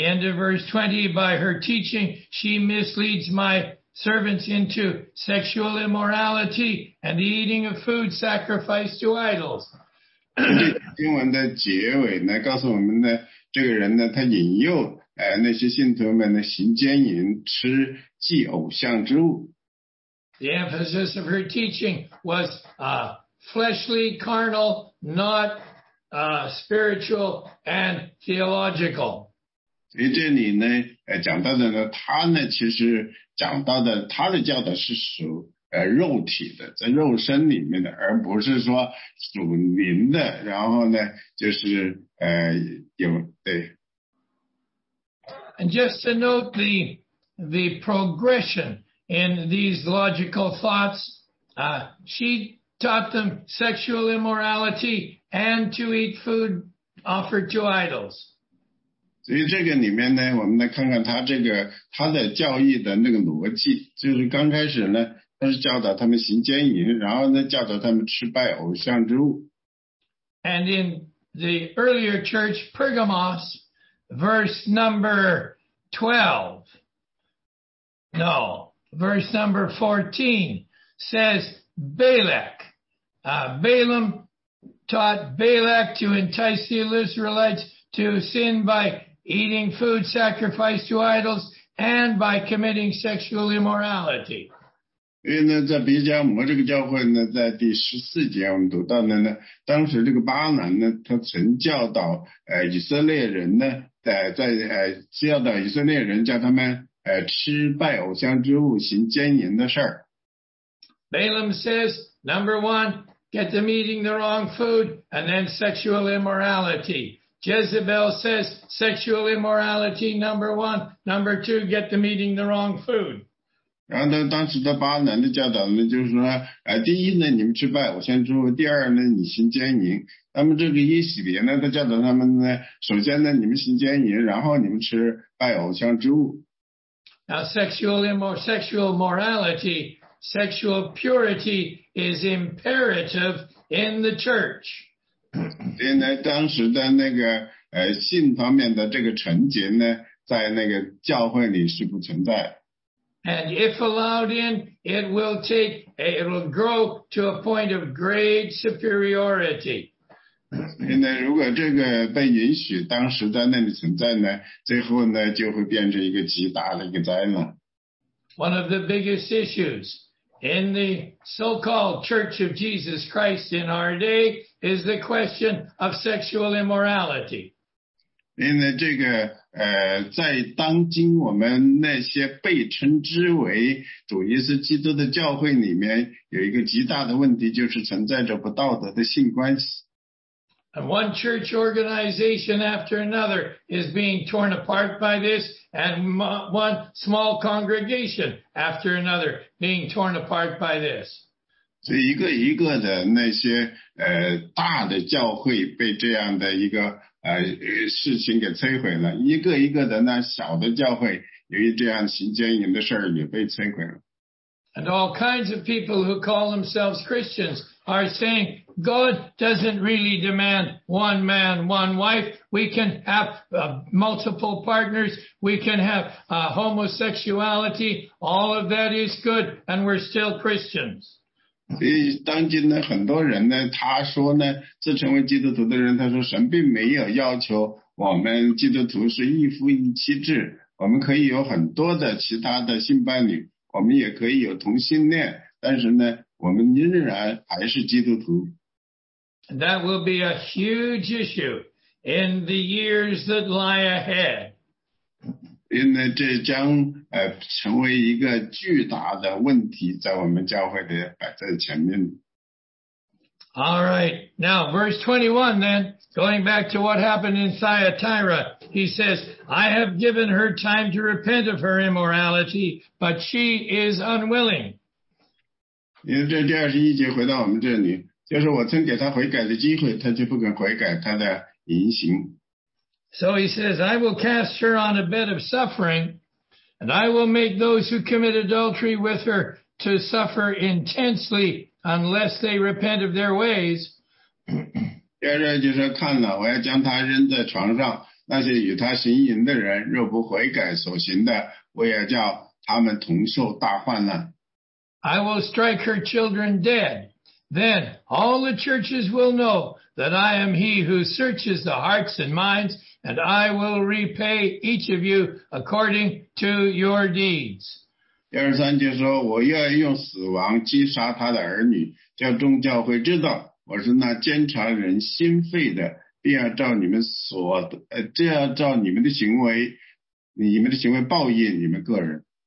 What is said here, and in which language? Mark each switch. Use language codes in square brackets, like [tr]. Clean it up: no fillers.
[en] end of verse 20, by her teaching, she misleads my servants into sexual immorality and the eating of food sacrificed to idols. [zh] 这个经文的结尾呢，告诉我们呢，这个人呢，他引诱那些信徒们呢行奸淫，吃祭偶像之物。 [en] The emphasis of her teaching was fleshly, carnal, not spiritual and theological. [zh] 所以这里呢，讲到的呢，他呢，其实讲到的，他的教导是属肉体的，在肉身里面的，而不是说属灵的。然后呢，就是有对。 [en] And just to note the progression in these logical thoughts, she taught them sexual immorality and to eat food offered to idols. [zh] 所以这个里面呢，我们来看看他这个他的教义的那个逻辑，就是刚开始呢。但是教导他们行奸淫，然后呢教导他们吃拜偶像之物。 [en] And in the earlier church, Pergamos, verse number 12, no, verse number 14 says Balak. Balaam taught Balak to entice the Israelites to sin by eating food sacrificed to idols and by committing sexual immorality. [zh] 因为呢，在别加摩这个教会呢，在第十四节我们读到了呢，当时这个巴兰呢，他曾教导以色列人呢，教导以色列人叫他们吃拜偶像之物，行奸淫的事儿。 [en] Balaam says, number one, get them eating the wrong food, and then sexual immorality. Jezebel says, sexual immorality, number one, number two, get them eating the wrong food. [zh] 然后当时的巴兰的教导呢，就是说，第一呢，你们吃拜偶像之物；第二呢，你行奸淫。那么这个耶洗别呢，他教导他们呢，首先呢，你们行奸淫，然后你们吃拜偶像之物。 [en] Now, sexual morality, sexual purity is imperative in the church. [zh] 所以呢，当时的那个性方面的这个纯洁呢，在那个教会里是不存在。 [en] And if allowed in, it will grow to a point of great superiority. [zh] 那如果这个被允许当时在那里存在呢，最后呢就会变成一个极大的一个灾难。 [en] One of the biggest issues in the so-called Church of Jesus Christ in our day is the question of sexual immorality. [zh] 因为这个在当今我们那些被称之为主耶稣基督的教会里面，有一个极大的问题，就是存在着不道德的性关系。 [en] And one church organization after another is being torn apart by this, and one small congregation after another being torn apart by this. [zh] 所以一个一个的那些大的教会被这样的一个事情给摧毁了，一个一个的那小的教会由于这样行奸淫的事儿也被摧毁了。 [en] And all kinds of people who call themselves Christians are saying God doesn't really demand one man, one wife. We can have multiple partners. We can have homosexuality. All of that is good, and we're still Christians. [zh] 所以当今呢，很多人呢，他说呢，自称为基督徒的人，他说神并没有要求我们基督徒是一夫一妻制，我们可以有很多的其他的性伴侣，我们也可以有同性恋，但是呢，我们仍然还是基督徒。 [en] That will be a huge issue in the years that lie ahead. [zh] 因为这将成为一个巨大的问题，在我们教会的摆在前面。 [en] All right, now verse 21 then, going back to what happened in Thyatira, he says, I have given her time to repent of her immorality, but she is unwilling. [zh] 因为这第21节回到我们这里，就是我曾给她悔改的机会，她就不肯悔改她的淫行。 [en] So he says, I will cast her on a bed of suffering. And I will make those who commit adultery with her to suffer intensely unless they repent of their ways. [zh] 第二就是看了，我要将他扔在床上，那些与他行淫的人若不悔改所行的，我要叫他们同受大患难。 [en] I will strike her children dead. Then all the churches will know that I am he who searches the hearts and minds. And I will repay each of you according to your deeds. [zh] 第二三节说，我要用死亡击杀他的儿女，叫众教会知道，我是那监察人心肺的，并要照你们的行为报应你们个人。